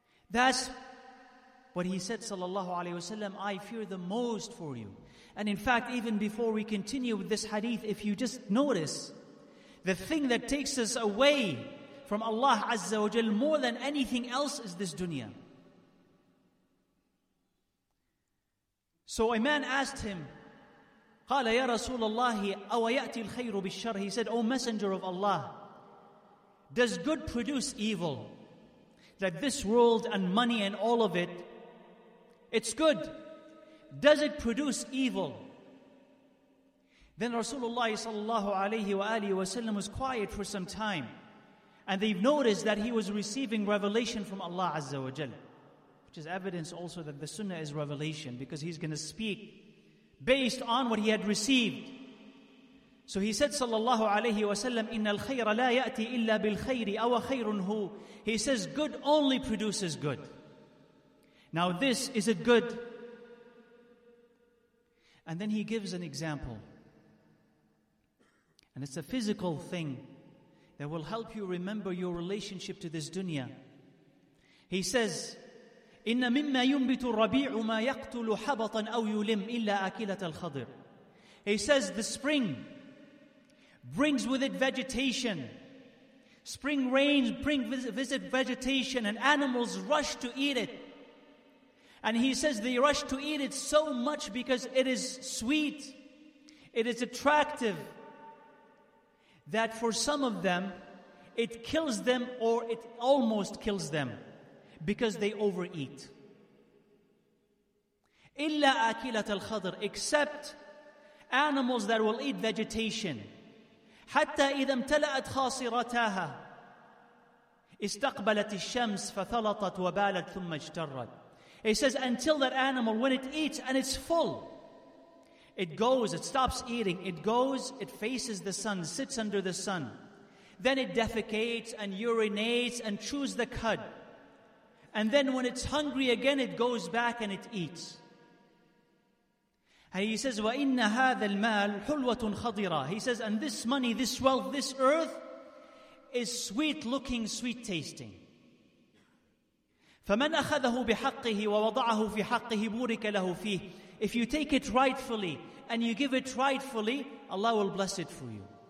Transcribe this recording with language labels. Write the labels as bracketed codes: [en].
[en] That's what he said, sallallahu alayhi wa sallam, I fear the most for you. And in fact, even before we continue with this hadith, if you just notice, the thing that takes us away from Allah Azza wa Jal more than anything else is this dunya. So a man asked him, [ar] قَالَ يَا رَسُولَ اللَّهِ أَوَيَأْتِي الْخَيْرُ بِالشَّرْ. [en] He said, O Messenger of Allah, does good produce evil? That this world and money and all of it, it's good. Does it produce evil? Then Rasulullah sallallahu alayhi wa alihi wa sallam was quiet for some time. And they've noticed that he was receiving revelation from Allah Azza wa Jalla, which is evidence also that the sunnah is revelation, because he's going to speak based on what he had received. So he said [ar] sallallahu alayhi wa sallam, إِنَّ الْخَيْرَ لَا يَأْتِي إِلَّا بِالْخَيْرِ أَوَ خَيْرٌ هُ. [en] He says, good only produces good. Now this, is it good? And then he gives an example. And it's a physical thing that will help you remember your relationship to this dunya. He says, [ar] إِنَّ مِمَّا يُنْبِتُ الرَّبِيعُ مَا يَقْتُلُ حَبَطًا أَوْ يُلِمْ إِلَّا أَكِلَةَ الْخَضِرِ. [en] He says, the spring brings with it vegetation. Spring rains bring visit vegetation, and animals rush to eat it. And he says they rush to eat it so much because it is sweet, it is attractive, that for some of them, it kills them or it almost kills them because they overeat. [ar] إِلَّا أَكِلَةَ الْخَضْرِ. [en] Except animals that will eat vegetation. [ar] حَتَّى إِذَا امْتَلَأَتْ خَاصِرَتَاهَا اِسْتَقْبَلَتِ الشَّمْسِ فَثَلَطَتْ وَبَالَتْ ثُمَّ اجْتَرَّتْ. [en] He says, until that animal, when it eats and it's full, it goes, it stops eating, it goes, it faces the sun, sits under the sun. Then it defecates and urinates and chews the cud. And then when it's hungry again, it goes back and it eats. And he says, [ar] وَإِنَّ هَذَا الْمَالُ حُلْوَةٌ خَضِرًا. [en] He says, and this money, this wealth, this earth is sweet looking, sweet tasting. [ar] فَمَنْ أَخَذَهُ بِحَقِّهِ وَوَضَعَهُ فِي حَقِّهِ بُورِكَ لَهُ فِيهِ. [en] If you take it rightfully and you give it rightfully, Allah will bless it for you.